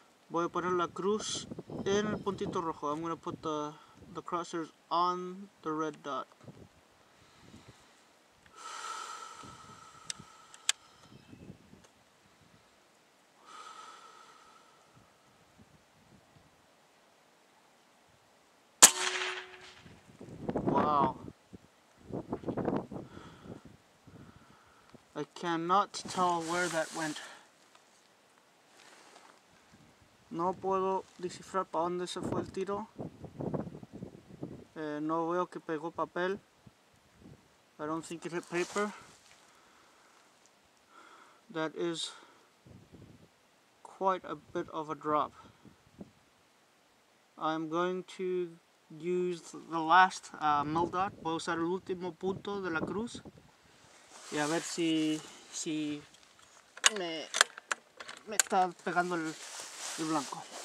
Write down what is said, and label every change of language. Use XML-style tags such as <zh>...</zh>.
<es>Voy a poner la cruz en el puntito rojo.</es> <en>I'm going to put the crosshairs on the red dot. Wow. I cannot tell where that went.</en> <es>No puedo descifrar para dónde se fue el tiro. No veo que pegó papel.</es> <en>I don't think it hit paper. That is quite a bit of a drop. I'm going to use the last mil dot.</en> <es>Voy a usar el último punto de la cruz. Y a ver si me está pegando el blanco.</es>